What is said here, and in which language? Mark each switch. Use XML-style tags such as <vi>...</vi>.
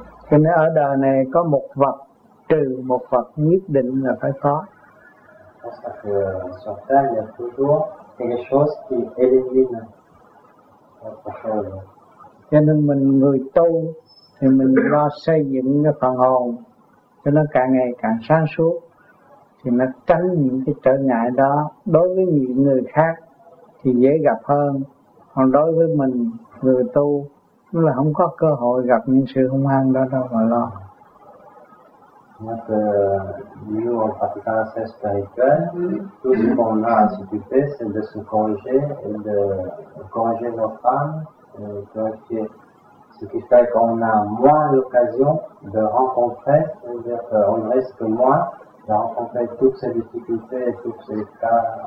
<vi>Cho nên ở đời này có một vật trừ một vật nhất định là phải có.</vi> <fr>Parce que sur Terre, il y a toujours quelque chose qui élimine autre chose.</fr> <vi>Cho nên mình người tu thì mình lo xây dựng cái phần hồn cho nó càng ngày càng sáng suốt thì nó tránh những cái trở ngại đó. Đối với những người khác thì dễ gặp hơn, còn đối với mình người tu cũng là không có cơ hội gặp những sự hung hăng đó đâu mà lo.</vi> <fr>Donc, nous, en pratiquant la sagesse spirituelle, tout ce qu'on a à s'occuper, c'est de se corriger et de corriger notre âme, de corriger. Ce qui fait qu'on a moins l'occasion de rencontrer, c'est-à-dire qu'on risque moins de rencontrer toutes ces difficultés et tous ces cas.</fr>